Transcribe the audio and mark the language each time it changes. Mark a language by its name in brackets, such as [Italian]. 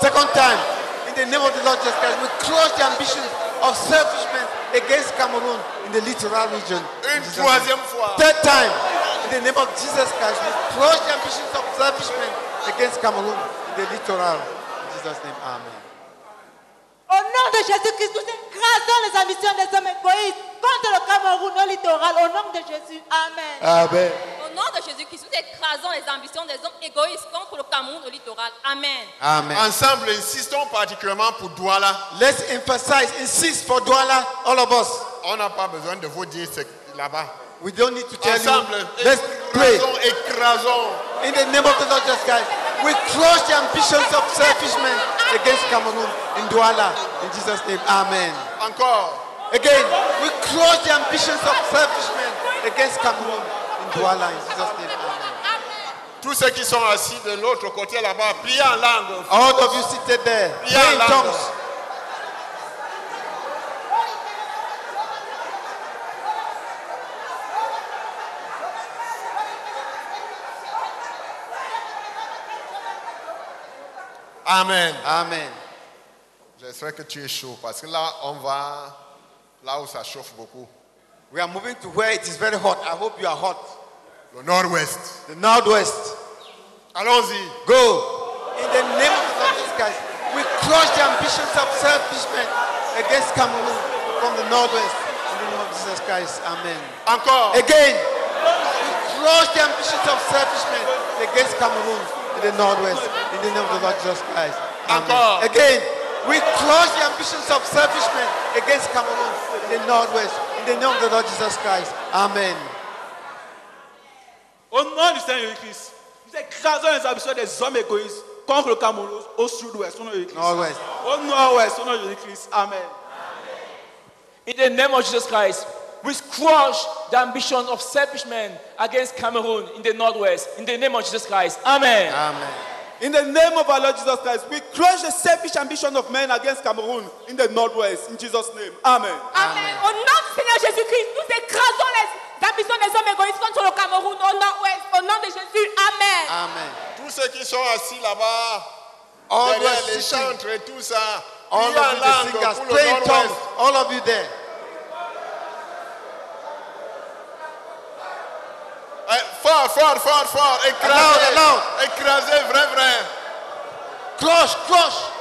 [English] Second time. In the name of the Lord Jesus Christ, we crush the ambitions of selfish men against Cameroon in the littoral region. [French] In troisième fois. [English] Third time. In the name of Jesus Christ, we crush the ambitions of selfish men against Cameroon in the littoral. In Jesus' name, amen. [French] Au nom de Jésus-Christ, nous écrasons les ambitions des hommes égoïstes contre le Cameroun au littoral. Au nom de Jésus, amen. Amen. Au nom de Jésus-Christ, nous écrasons les ambitions des hommes égoïstes contre le Cameroun au littoral. Amen. Amen. Ensemble, insistons particulièrement pour Douala. [English] Let's emphasize, insist for Douala, all of us. [French] On n'a pas besoin de vous dire ce là-bas. [English] We don't need to tell [French] ensemble, [English] you. Let's pray. [French] Écrasons. [English] In the name of the Lord Jesus Christ, we crush the ambitions of selfish men against Cameroon in Douala. In Jesus' name, amen. [French] Encore. [English] Again, we crush the ambitions of selfish men against Cameroon in Douala. In Jesus' name, amen. [French] Tous ceux qui sont assis de l'autre côté là-bas, priez en langue. [English] All of you seated there, [French] priez en langue. Amen. Amen. J'espère que tu es chaud parce que là, on va là où ça chauffe beaucoup. [English] We are moving to where it is very hot. I hope you are hot. [French] Le nord-ouest. [English] The northwest. [French] Allons-y. [English] Go. In the name of the Lord Jesus Christ, we crush the ambitions of selfish men against Cameroon from the northwest. In the name of Jesus Christ. Amen. Encore. Again. We crush the ambitions of selfish men against Cameroon. In the northwest, in the name of the Lord Jesus Christ. Amen. Again, we crush the ambitions of selfish men against Cameroon in the northwest, in the name of the Lord Jesus Christ. Amen. [French] Au nom du Seigneur Christ, nous écrasons les ambitions des hommes égoïstes contre le Cameroun au sud-ouest, au nom de Christ. Au nord-ouest, au nom de Christ. Amen. [English] In the name of Jesus Christ, we crush the ambitions of selfish men against Cameroon in the northwest. In the name of Jesus Christ. Amen. Amen. In the name of our Lord Jesus Christ, we crush the selfish ambition of men against Cameroon in the northwest. In Jesus' name. Amen. Amen. [French] Au nom du Seigneur Jésus Christ, nous écrasons les ambitions des hommes égoïstes contre le Cameroun au nord-ouest. Au nom de Jésus. Amen. Amen. Tous ceux qui sont assis là-bas, derrière les chantres et tout ça, [English] All of you, the singers, pray in tongues. All of you there. [French] Fort, écrasé, [English] loud. [French] Écrasé, vrai. [English] Crush.